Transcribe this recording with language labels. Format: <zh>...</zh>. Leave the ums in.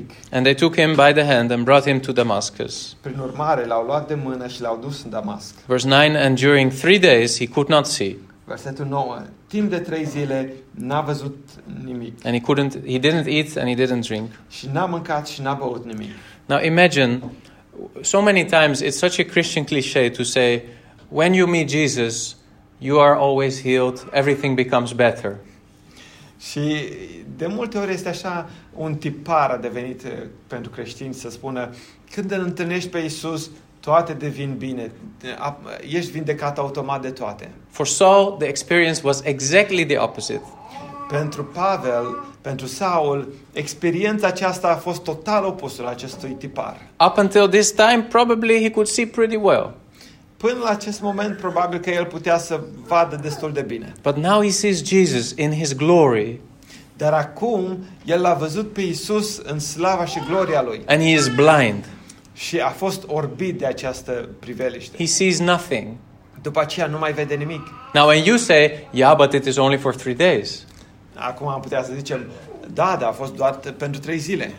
<en>and they took him by the hand and brought him to Damascus.</en> <ro>Prin urmare, l-au luat de mână și l-au dus în Damasc.</ro> <en>Verse 9, and during three days he could not see.</en> <ro>Versetul 9, timp de trei zile n-a văzut nimic.</ro> <en>And he couldn't, he didn't eat and he didn't drink.</en> <ro>Și n-a mâncat și n-a băut nimic.</ro> <en>Now imagine, so many times it's such a Christian cliche to say, when you meet Jesus, You are always healed, everything becomes better.</en> <ro>Și de multe ori este așa un tipar a devenit pentru creștini să spună când îl întâlnești pe Isus, toate devin bine, ești vindecat automat de toate.</ro> <en>For Saul, the experience was exactly the opposite.</en> <ro>Pentru Pavel, pentru Saul, experiența aceasta a fost total opusul acestui tipar.</ro> <en>Up until this time, probably he could see pretty well.</en> <ro>Până la acest moment probabil că el putea să vadă destul de bine.</ro> <en>But now he sees Jesus in his glory.</en> <ro>Dar acum el l-a văzut pe Isus în slava și gloria lui.</ro> <en>And he is blind.</en> <ro>Și a fost orbit de această priveliște.</ro> <en>He sees nothing.</en> <ro>După aceea nu mai vede nimic.</ro> <en>Now when you say, yeah, but it is only for three days.</en> <ro>Acum am putea să zicem, da, da, a fost doar pentru trei zile.</ro>